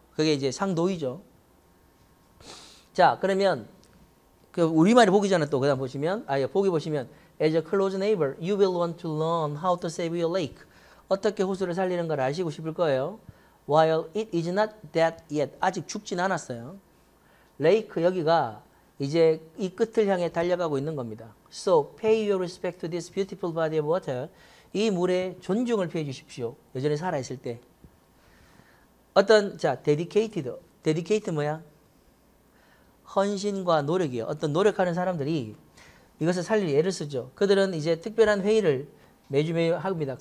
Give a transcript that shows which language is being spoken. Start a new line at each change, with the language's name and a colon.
Korean: 그게 이제 상도이죠. 자, 그러면 그 우리말에 보기 전에 또 그다음 보시면, 아예 보기 보시면
English: as a close neighbor, you will want to learn how to save your lake.
Korean: 어떻게 호수를 살리는 걸 아시고 싶을 거예요.
English: While it is not dead yet.
Korean: 아직 죽진 않았어요. 레이크 여기가 이제 이 끝을 향해 달려가고 있는 겁니다.
English: So pay your respect to this beautiful body of water.
Korean: 이 물에 존중을 표해 주십시오. 여전히 살아있을 때. 어떤, 자, dedicated. dedicated 뭐야? 헌신과 노력이에요. 어떤 노력하는 사람들이 이것을 살릴 애를 쓰죠. 그들은 이제 특별한 회의를 매주매주 합니다.